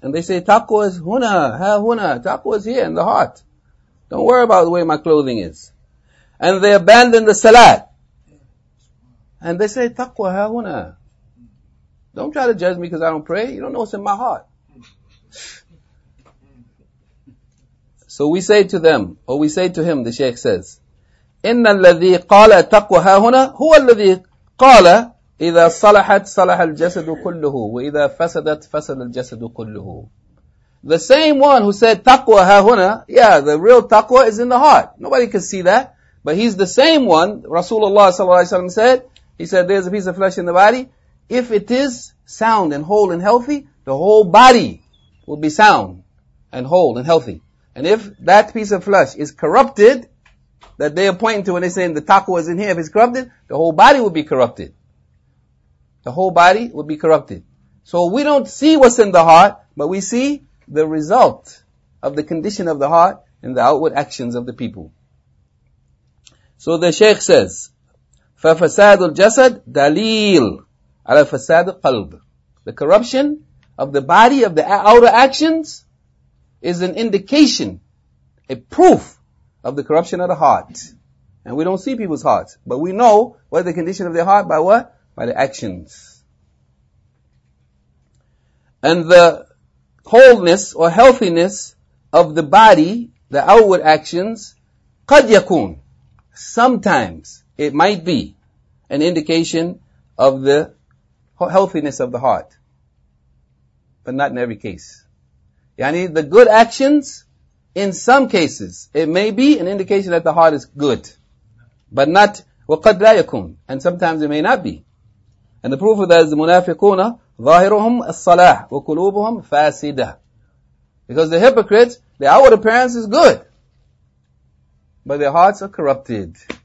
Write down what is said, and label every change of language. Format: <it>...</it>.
<en>And they say, taqwa is huna, ha-huna. Taqwa is here in the heart. Don't worry about the way my clothing is. And they abandon the salat. And they say, taqwa ha-huna. Don't try to judge me because I don't pray. You don't know what's in my heart. So we say to them, or we say to him, the Shaykh says,</en> <ar>إِنَّ الَّذِي قَالَ تَقْوَ هَاهُنَا هُوَ الَّذِي قَالَ إِذَا صَلَحَتْ صَلَحَ الْجَسَدُ كُلُّهُ وَإِذَا فَسَدَتْ فَسَدَ الْجَسَدُ كُلُّهُ.</ar> <en>The same one who said taqwa hahuna, yeah, the real taqwa is in the heart. Nobody can see that. But he's the same one, Rasulullah sallallahu alayhi wa sallam said, he said, there's a piece of flesh in the body. If it is sound and whole and healthy, the whole body will be sound and whole and healthy. And if that piece of flesh is corrupted, that they are pointing to when they're saying the taqwa is in here, if it's corrupted, the whole body will be corrupted. The whole body will be corrupted. So we don't see what's in the heart, but we see the result of the condition of the heart and the outward actions of the people. So the Shaykh says,</en> <ar>فَفَسَادُ الْجَسَدُ دَلِيلُ عَلَى فَسَادُ الْقَلْبُ.</ar> <en>The corruption of the body, of the outer actions, is an indication, a proof of the corruption of the heart. And we don't see people's hearts, but we know what the condition of their heart by what? By the actions. And the wholeness or healthiness of the body, the outward actions,</en> <ar>قد يكون.</ar> <en>Sometimes it might be an indication of the healthiness of the heart. But not in every case. Yani, the good actions, in some cases, it may be an indication that the heart is good. But not,</en> <ar>وَقَدْ لَا يَكُونَ.</ar> <en>And sometimes it may not be. And the proof of that is the munafiquna,</en> <ar>ظَاهِرُهُمْ الصَّلَاحِ وَقُلُوبُهُمْ فَاسِدَةِ.</ar> <en>Because the hypocrites, their outward appearance is good. But their hearts are corrupted.</en>